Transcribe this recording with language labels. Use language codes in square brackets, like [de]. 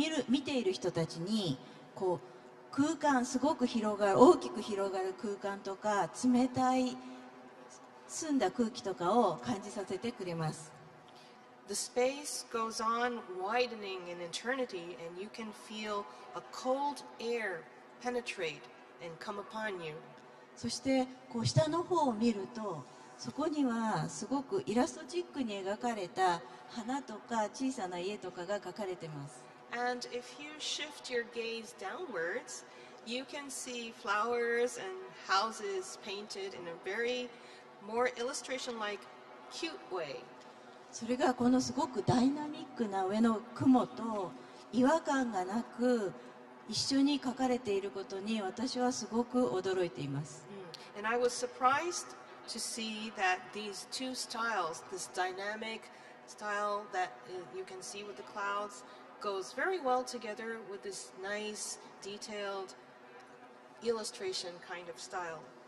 [ja] 見ている人たちに、こう空間すごく広がる、大きく広がる空間とか、冷たい澄んだ空気とかを感じさせてくれます。 [en] The space goes on widening in eternity and you can feel a cold air penetrate and come upon you. [ja] そしてこう下の方を見るとそこにはすごくイラストチックに描かれた花とか小さな家とかが描かれてます。 [en] And if you shift your gaze downwards, you can see flowers and houses painted in a very more illustration-like, cute way. [ja] それがこのすごくダイナミックな上の雲と違和感がなく一緒に描かれていることに私はすごく驚いています。 [en] And I was surprised to see that these two styles, this dynamic style that you can see with the clouds, goes very well together with this nice, detailed illustration kind of style.